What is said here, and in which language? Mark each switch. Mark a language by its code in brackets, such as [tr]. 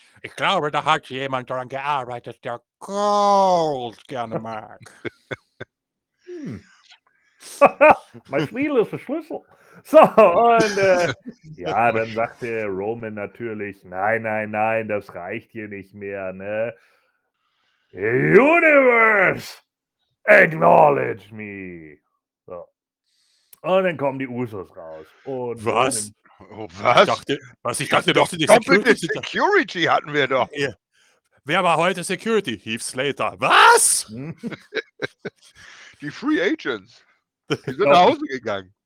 [de] Ich glaube, da hat jemand daran gearbeitet, der Gold gerne mag. Mein Spiel ist der Schlüssel. So, und ja, dann sagte Roman natürlich, nein, das reicht hier nicht mehr, ne? [en] Universe, acknowledge me. [de] So. Und dann kommen die Usos raus. Und was? Oh, was? Ich dachte doch, die Security. Security hatten wir doch. Ja. Wer war heute Security? Heath Slater. Was? Die Free Agents. Die sind nach Hause gegangen.